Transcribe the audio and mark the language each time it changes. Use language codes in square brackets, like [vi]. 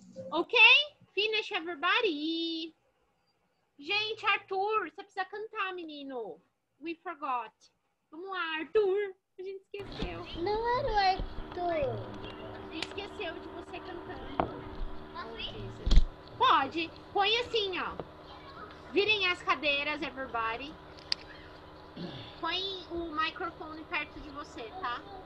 [en] Ok? Finish, everybody. [pt] Gente, Arthur, você precisa cantar, menino. [en] We forgot. [pt] Vamos lá, Arthur. A gente esqueceu. Não era o Arthur. A gente esqueceu de você cantando. Jesus. Pode. Põe assim, ó. Virem as cadeiras, everybody. Põe o microfone perto de você, tá?